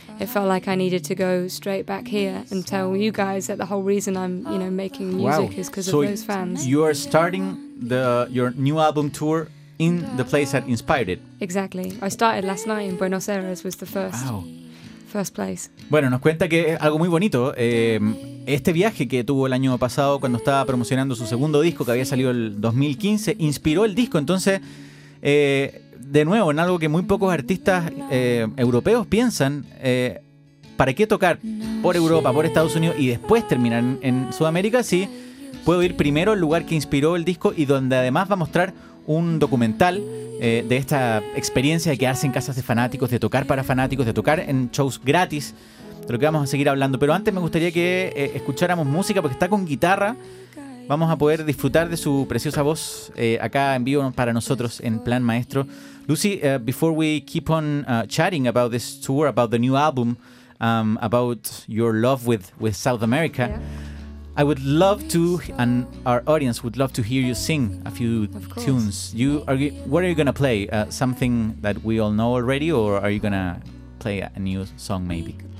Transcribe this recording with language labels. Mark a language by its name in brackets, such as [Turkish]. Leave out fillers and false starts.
[English] It felt like I needed to go straight back here and tell you guys that the whole reason I'm, you know, making music is because of those fans. You are starting your new album tour in the place that inspired it. Exactly. I started last night in Buenos Aires, was the first. Wow. First place. [Spanish] Bueno, nos cuenta que es algo muy bonito. Este viaje que tuvo el año pasado cuando estaba promocionando su segundo disco, que había salido el 2015, inspiró el disco. Entonces, de nuevo, en algo que muy pocos artistas europeos piensan, ¿para qué tocar por Europa, por Estados Unidos y después terminar en Sudamérica? Sí, puedo ir primero al lugar que inspiró el disco y donde además va a mostrar un documental de esta experiencia de quedarse en casas de fanáticos, de tocar para fanáticos, de tocar en shows gratis, de lo que vamos a seguir hablando. Pero antes me gustaría que escucháramos música, porque está con guitarra. Vamos a poder disfrutar de su preciosa voz acá en vivo para nosotros en Plan Maestro. [English] Lucy, before we keep on chatting about this tour, about the new album, about your love with South America, I would love to, and our audience would love to hear you sing a few tunes. What are you going to play? Something that we all know already, or are you going to play a new song maybe?